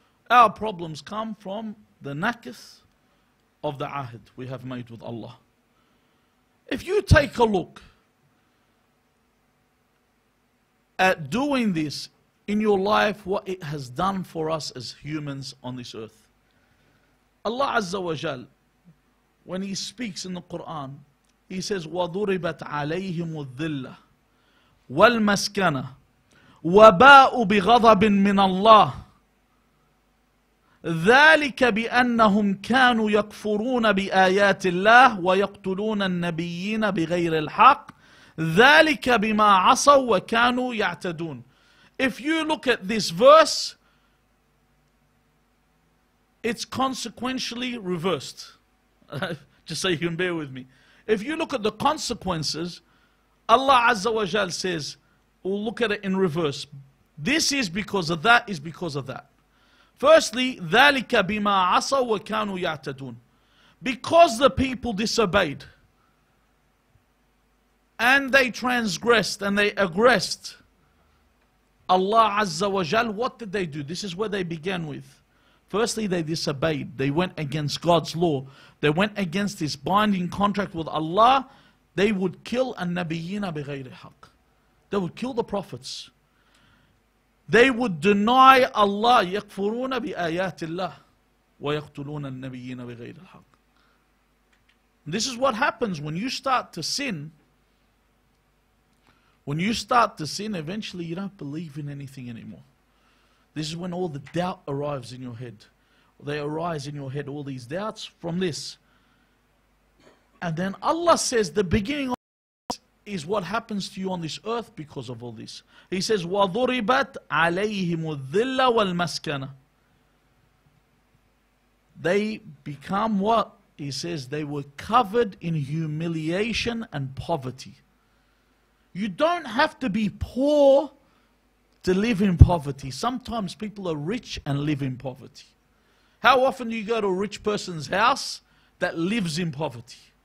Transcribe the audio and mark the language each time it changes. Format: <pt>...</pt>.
<en>Our problems come from the nakith of the ahd we have made with Allah. If you take a look at doing this in your life, what it has done for us as humans on this earth.</en> <ar>Allah Azza wa Jal, when He speaks in the Quran, He says, "وَضُرِبَتْ عَلَيْهِمُ الذِّلَّةِ وَالْمَسْكَنَةِ وَبَاءُ بِغَضَبٍ مِّنَ اللَّهِ ذَلِكَ بِأَنَّهُمْ كَانُوا يَكْفُرُونَ بِآيَاتِ اللَّهِ وَيَقْتُلُونَ النَّبِيِّينَ بِغَيْرِ الْحَقِّ ذَلِكَ بِمَا عَصَوْا وَكَانُوا يَعْتَدُونَ."</ar> <en>If you look at this verse, it's consequentially reversed. Just so you can bear with me. If you look at the consequences, Allah Azza wa Jal says, we'll look at it in reverse. This is because of that, is because of that. Firstly,</en> <ar>ذَلِكَ بِمَا عَصَوْا وَكَانُوا يَعْتَدُونَ.</ar> <en>Because the people disobeyed, and they transgressed, and they aggressed, Allah Azza wa Jal, what did they do? This is where they began with. Firstly, they disobeyed. They went against God's law. They went against this binding contract with Allah. They would kill</en> <ar>an-nabiyyina bighayri haqq.</ar> <en>They would kill the prophets. They would deny Allah.</en> <ar>يَكْفُرُونَ بِآيَاتِ اللَّهِ وَيَقْتُلُونَ النَّبِيِّينَ بِغَيْرِ الْحَقِّ.</ar> <en>This is what happens when you start to sin. When you start to sin, eventually you don't believe in anything anymore. This is when all the doubt arrives in your head. They arise in your head, all these doubts from this. And then Allah says the beginning of is what happens to you on this earth because of all this. He says,</en> <ar>وَضُرِبَتْ عَلَيْهِمُ الذِّلَّ وَالْمَسْكَنَةِ.</ar> <en>They become what? He says, they were covered in humiliation and poverty. You don't have to be poor to live in poverty. Sometimes people are rich and live in poverty. How often do you go to a rich person's house that lives in poverty?</en>